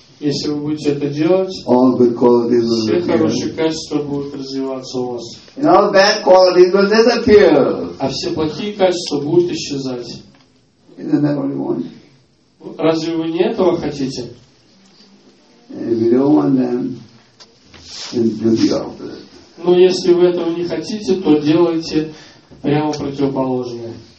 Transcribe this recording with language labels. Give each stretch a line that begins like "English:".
Russian: если вы будете это делать,
English: all good qualities
Russian: все хорошие качества будут развиваться у вас.
English: And all bad qualities will disappear.
Russian: А все плохие качества будут исчезать.
English: Isn't that what you want?
Russian: Разве вы не этого хотите?
English: And if you don't want them, then do the opposite.
Russian: Но если вы этого не хотите, то делайте прямо противоположное.